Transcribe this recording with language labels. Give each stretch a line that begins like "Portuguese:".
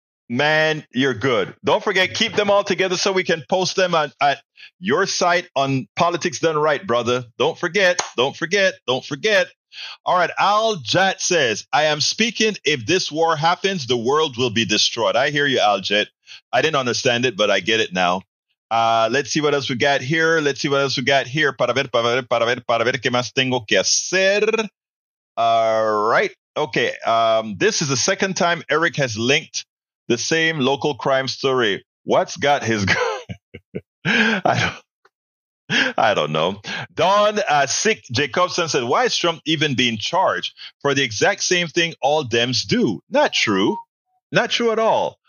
English: Man, you're good. Don't forget, keep them all together so we can post them at your site on Politics Done Right, brother. Don't forget. Don't forget. Don't forget. All right. Al Jett says, I am speaking. If this war happens, the world will be destroyed. I hear you, Al Jett. I didn't understand it, but I get it now. Let's see what else we got here. Let's see what else we got here.
Spanish: Para ver, para ver, para ver, para ver qué más tengo que hacer.
English: All right. Okay. This is the second time Eric has linked the same local crime story. What's got his gun? I don't know. Don Sick Jacobson said, why is Trump even being charged for the exact same thing all Dems do? Not true. Not true at all.